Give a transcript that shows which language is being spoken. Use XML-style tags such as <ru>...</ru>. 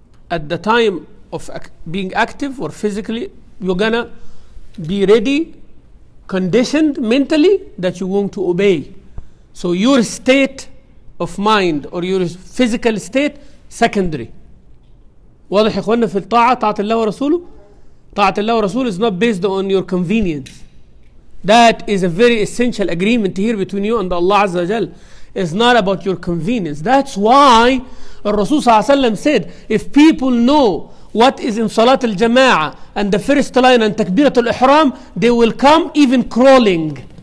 <en>At the time of being active or physically, you're gonna be ready, conditioned mentally that you want to obey. So your state of mind or your physical state, secondary.</en> <ar>واضح يا اخوانا في الطاعة, طاعة الله ورسوله. طاعة الله ورسوله</ar> <en>is not based on your convenience. That is a very essential agreement here between you and Allah Azza wa Jal. It's not about your convenience. That's why Rasul Sallallahu Alaihi Wasallam said, if people know what is in Salat al-Jama'ah and the first line and Takbirat al-Ihram, they will come even crawling.</en>